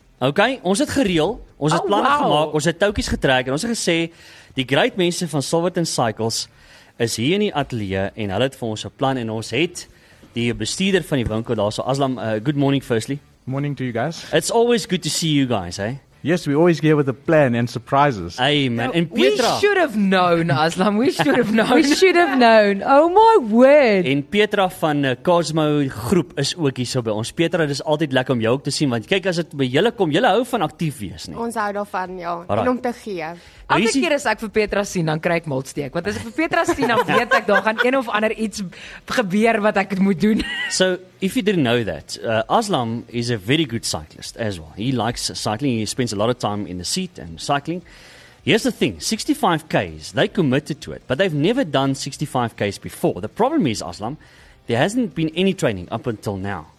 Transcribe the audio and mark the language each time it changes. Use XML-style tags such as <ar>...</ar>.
<af>Ok, ons het gereel, ons het plannen gemaakt, ons het touwtjies getrek en ons het gesê, die great mense van Silverton Cycles is hier in die atelier en hulle het vir ons 'n plan en ons het die bestuurder van die winkel daar. So Aslam,</af> <en>good morning firstly. Morning to you guys. It's always good to see you guys, eh? Yes, we always get with a plan and surprises. Amen. And Petra. We should have known, Aslam. We should have known. We should have known. Oh my word.</en> <af>En Petra van Cosmo Groep is ook hier so by ons. Petra, dis altyd lekker om jou ook te sien, want kyk, as dit by julle kom, julle hou van aktief wees, nie? Ons hou daarvan, ja. Alright. En om te gee. Elke keer as ek vir Petra sien, dan kry ek maltsteek. Want as ek vir Petra sien, dan weet ek, daar gaan een of ander iets gebeur wat ek moet doen.</af> <en>So, if you didn't know that, Aslam is a very good cyclist as well. He likes cycling, he spends a lot of time in the seat and cycling. Here's the thing, 65 Ks, they committed to it, but they've never done 65 Ks before. The problem is, Aslam, there hasn't been any training up until now.</en>